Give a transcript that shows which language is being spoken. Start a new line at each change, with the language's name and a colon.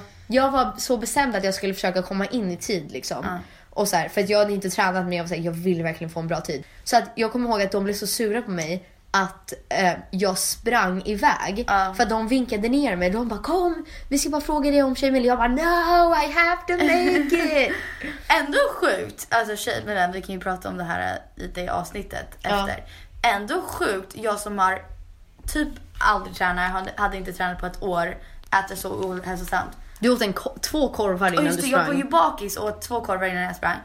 Swedish: Jag var så bestämd att jag skulle försöka komma in i tid liksom. Och så här, för att jag hade inte tränat mig, jag ville verkligen få en bra tid. Så att jag kommer ihåg att de blev så sura på mig att jag sprang iväg. För att de vinkade ner mig. De bara, kom, vi ska bara fråga dig om Tjejmilen. Jag bara,
English: no, I have to make it.
Swedish: Ändå sjukt. Alltså Tjejmilen, vi kan ju prata om det här i det avsnittet efter. Ändå sjukt, jag som har typ aldrig tränat, hade inte tränat på ett år, äter så ohälsosamt. Du åt två korvar innan du sprang. Jag var ju bakis och åt två korvar innan jag sprang.